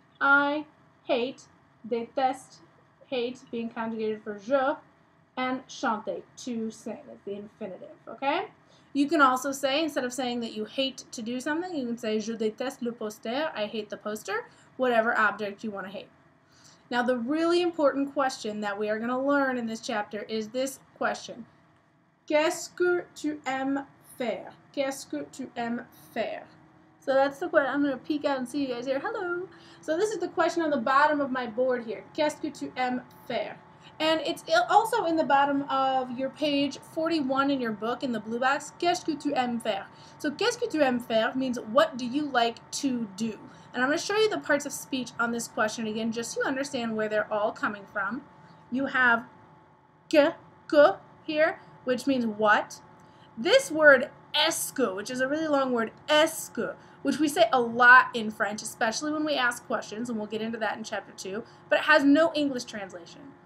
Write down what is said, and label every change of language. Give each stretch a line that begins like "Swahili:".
English: I hate, déteste, hate, being conjugated for je, and chanter, to sing, the infinitive, okay? You can also say, instead of saying that you hate to do something, you can say,
French: je déteste le poster,
English: I hate the poster, whatever object you want to hate. Now, the really important question that we are going to learn in this chapter is this question.
French: Qu'est-ce que tu aimes faire? Qu'est-ce que tu aimes faire?
English: So that's the question. I'm going to peek out and see you guys here. Hello. So this is the question on the bottom of my board here.
French: Qu'est-ce que tu aimes faire?
English: And it's also in the bottom of your page 41 in your book in the blue box.
French: Qu'est-ce que tu aimes faire? So qu'est-ce que tu aimes faire
English: means what do you like to do? And I'm going to show you the parts of speech on this question again just so you understand where they're all coming from. You have que here, which means what. This word est-ce, which is a really long word, est-ce, which we say a lot in French, especially when we ask questions, and we'll get into that in chapter 2, but it has no English translation.